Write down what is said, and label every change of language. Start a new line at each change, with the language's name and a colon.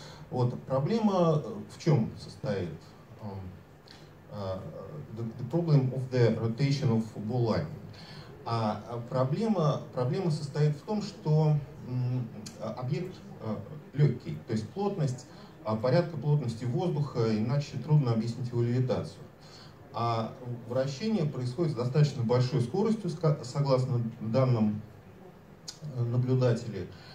Russian: Вот, проблема в чем состоит?
English: The problem of the rotation of ball lightning.
Russian: Проблема состоит в том, что объект легкий, то есть плотность, порядка плотности воздуха, иначе трудно объяснить его левитацию. А вращение происходит с достаточно большой скоростью, согласно данным наблюдателей.